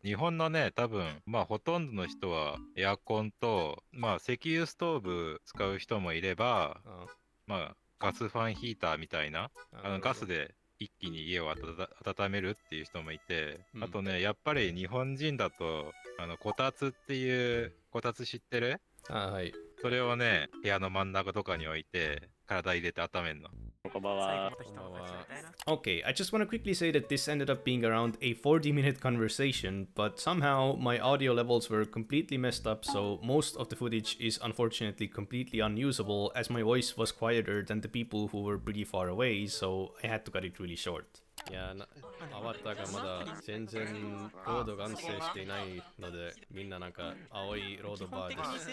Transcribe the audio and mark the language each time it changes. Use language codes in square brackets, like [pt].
[ja] 日本のね、多分まあほとんどの人はエアコンと、まあ石油ストーブ使う人もいれば、まあガスファンヒーターみたいな、あのガスで一気に家を温めるっていう人もいて、あとね、やっぱり日本人だとあのこたつっていう、こたつ知ってる？あ、はい。それをね、部屋の真ん中とかに置いて体入れて温めるの。こんばんは。 [en] Okay, I just want to quickly say that this ended up being around a 40-minute conversation, but somehow my audio levels were completely messed up, so most of the footage is unfortunately completely unusable, as my voice was quieter than the people who were pretty far away, so I had to cut it really short. [ja] いやな、アバターがまだ全然ロード完成していないので、みんななんか青いロードバーです。